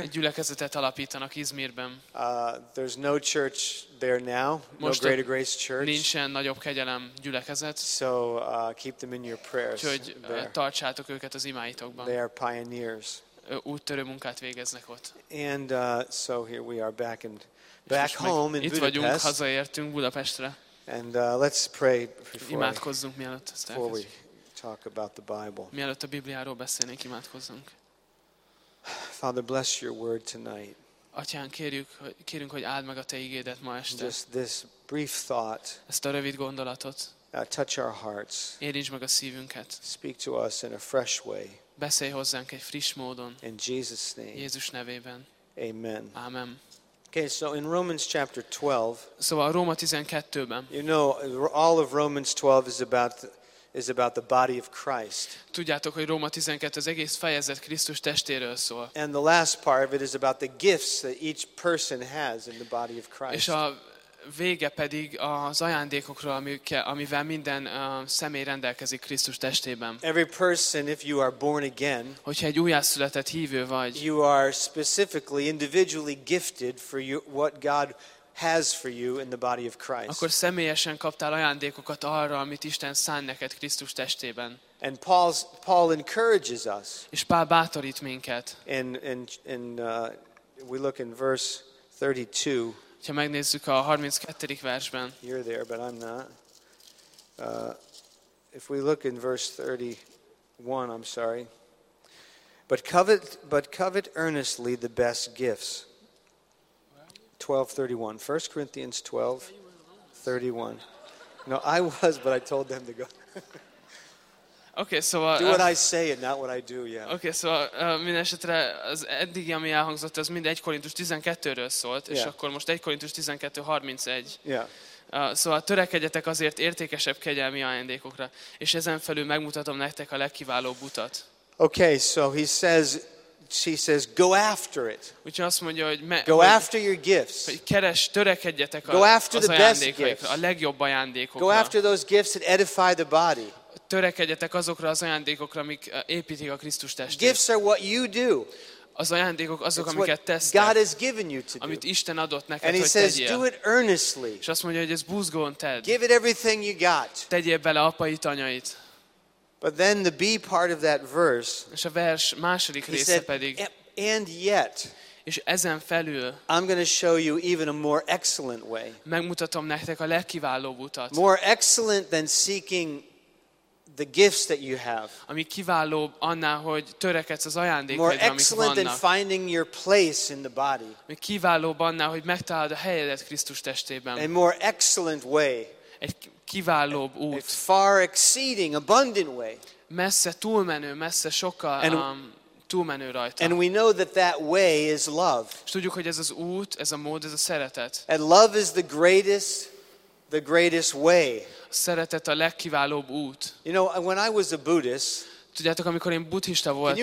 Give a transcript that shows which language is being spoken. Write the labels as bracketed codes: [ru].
[hu] Egy gyülekezetet alapítanak Izmirben. [en] There's no church there now. [hu] Most [en] no Greater Grace Church. [hu] Nincsen nagyobb kegyelem gyülekezet. [en] So keep them in your prayers. [hu] Úgyhogy tartsátok őket az imáitokban. [en] They are pioneers. [hu] Úttörő munkát végeznek ott. [en] And so here we are back home in [hu] Budapest. Itt vagyunk, hazaértünk Budapestre. [en] And let's pray before [hu] imádkozzunk, mielőtt ezt elkezdjük. [en] We talk about the Bible. [hu] Mielőtt a Bibliáról beszélnénk, imádkozzunk. [en] Father, bless your word tonight. [hu] Atyán, kérünk, hogy áld meg a te igédet ma este. [en] Just this brief thought. [hu] Ezt a rövid gondolatot. [en] Touch our hearts. [hu] Érintsd meg a szívünket. [en] Speak to us in a fresh way. [hu] Beszélj hozzánk egy friss módon. [en] In Jesus name. [hu] Jézus nevében. [en] Amen. [hu] Amen. [en] Okay, so in Romans chapter 12. [hu] So a Róma 12-ben. [en] You know, all of Romans 12 is about the body of Christ. [hu] Tudjátok, hogy Róma 12 az egész fejezet Krisztus testéről szól. [en] And the last part of it is about the gifts that each person has in the body of Christ. [hu] És a vége pedig az ajándékokról, amivel minden személy rendelkezik Krisztus testében. [en] Every person, if you are born again, [hu] hogyha egy újjászületett hívő vagy, [en] you are specifically, individually gifted for you, what God has for you in the body of Christ. [hu] Akkor személyesen kaptál ajándékokat arra, amit Isten szán neked Krisztus testében. [en] And Paul encourages us. [hu] És Pál bátorít minket. [en] And we look in verse 32. [hu] Ha megnézzük a 32. versben. [en] You're there, but I'm not. If we look in verse 31, I'm sorry. But covet earnestly the best gifts. 12:31. 1 Corinthians 12:31. No, I was, but I told them to go. Okay, so do what I say and not what I do, yeah. [hu] Okay, so mindesetre az eddigi, ami elhangzott, az mind 1 Korintus 12-ről szólt, [en] yeah. [hu] És akkor most 1 Korintus 12:31. [en] Yeah. [hu] Szóval törekedjetek azért értékesebb kegyelmi ajándékokra, és ezen felül megmutatom nektek a legkiválóbb utat. [en] Okay, so he says she says, go after it. [hu] Úgyhogy azt mondja, hogy [en] go after your gifts. [hu] Hogy keres, törekedjetek [en] go after the best gifts. [hu] A legjobb ajándékokra. [en] Go after those gifts that edify the body. [hu] Törekedjetek azokra az ajándékokra, amik építik a Krisztus testét. [en] Gifts are what you do. [hu] Az ajándékok azok, amiket tesztek. [en] God has given you to do. [hu] Amit Isten adott neked, [en] and [hu] hogy [en] he says, [hu] tegyél. [en] Do it earnestly. [hu] És azt mondja, hogy ez búzgón tedd. [en] Give it everything you got. [hu] Tegyél bele apait, anyait. [en] But then the B part of that verse. [hu] És a vers második része [en] said, [hu] pedig. [en] And yet. [hu] És ezen felül. [en] I'm going to show you even a more excellent way. [hu] Megmutatom nektek a legkiválóbb utat. [en] More excellent than seeking the gifts that you have. [hu] Ami kiválóbb annál, hogy törekedsz az ajándékokra, amik vannak. [en] More excellent than finding your place in the body. [hu] Ami kiválóbb annál, hogy megtaláld a helyedet Krisztus testében. [en] A more excellent way. [hu] Egy kiválóbb út. [en] A far exceeding, abundant way. [hu] Messze túlmenő, messze sokkal túlmenő rajta. [en] And we know that that way is love. [hu] És tudjuk, hogy ez az út, ez a mód, ez a szeretet. [en] And love is the greatest way. [hu] Szeretet a legkiválóbb út. [en] You know, when I was a Buddhist, [hu] tudjátok, amikor én buddhista voltam,